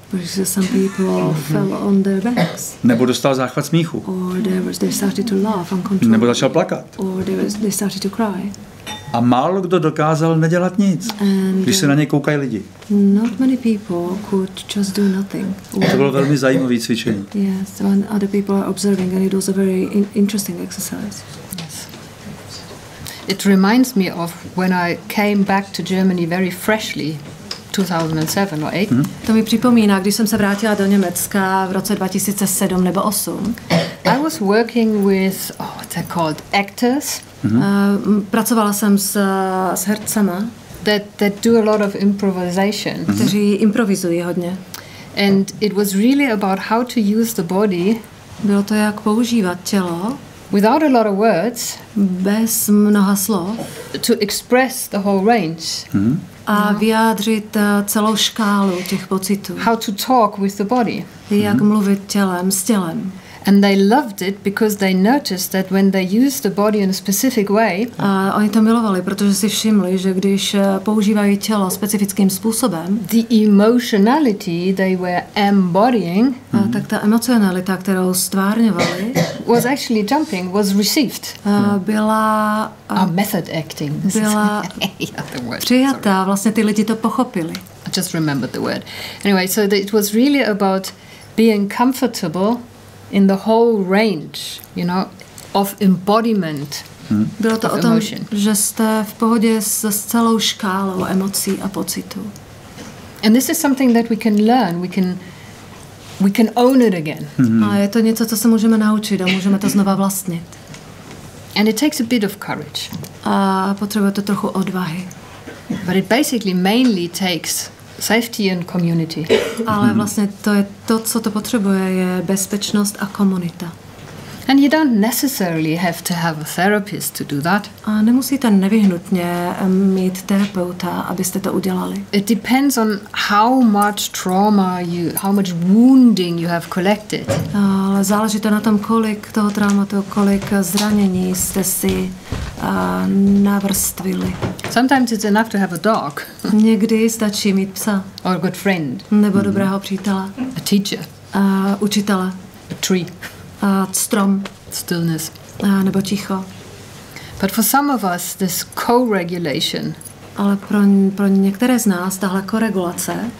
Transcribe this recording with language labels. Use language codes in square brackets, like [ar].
[en] Because some people fell on their backs. [cs] Nebo dostal záchvat smíchu. [en] Or they started to laugh uncontrollably. Nebo začal plakat. Or they started to cry. [cs] A málo kdo dokázal nedělat nic, když se na něj koukají lidi. [en] Not many people could just do nothing. [cs] To bylo velmi zajímavé cvičení. [en] Yes, when other people are observing, and it was a very interesting exercise. Yes. It reminds me of when I came back to Germany very freshly, 2007 or 8. Mm-hmm. [cs] To mi připomíná, když jsem se vrátila do Německa v roce 2007 nebo 8. [en] I was working with what they called actors. Mm-hmm. [cs] Pracovala jsem s hercema. [en] That do a lot of improvisation. Mm-hmm. [cs] Kteří improvizují hodně. [en] And it was really about how to use the body. [cs] Bylo to jak používat tělo. [en] Without a lot of words, [cs] bez mnoha slov, [en] to express the whole range, mm-hmm. [cs] a vyjádřit celou škálu těch pocitů. [en] How to talk with the body? [cs] Jak mm-hmm. mluvit tělem s tělem? [en] And they loved it because they noticed that when they used the body in a specific way. [cs] A oni to milovali, protože si všimli, že když používají tělo specifickým způsobem, [en] the emotionality they were embodying, [cs] a tak ta emocionalita, kterou stvárňovali, [en] was actually jumping, was received. [cs] Byla [en] a method acting. [cs] Byla přijatá, vlastně ty lidi to pochopili. [en] I just remembered the word. Anyway, so it was really about being comfortable in the whole range, you know, of embodiment. [cs] Bylo to o tom, že jste v pohodě s celou škálou emocí a pocitů. [en] And this is something that we can learn, we can own it again. [cs] A je to něco, co se můžeme naučit a můžeme to znova vlastnit. [en] And it takes a bit of courage. [cs] A potřebuje to trochu odvahy. [en] But it basically mainly takes safety and community. [cs] Ale vlastně to je to, co to potřebuje, je bezpečnost a komunita. [en] And you don't necessarily have to have a therapist to do that. [cs] A nemusíte nevyhnutně mít terapeuta, abyste to udělali. [en] It depends on how much trauma you, how much wounding you have collected. [cs] Ale záleží to na tom, kolik toho traumatu, kolik zranění jste si navrstvili. [en] Sometimes it's enough to have a dog. [cs] Někdy stačí mít psa. [en] Or a good friend. [cs] Nebo dobrého přítele. [en] A teacher. [cs] A učitele. [en] A tree. [cs] A strom. [en] Stillness. [cs] A nebo ticho. [en] But for some of us this co-regulation. [cs] Ale pro některé z nás tahle koregulace.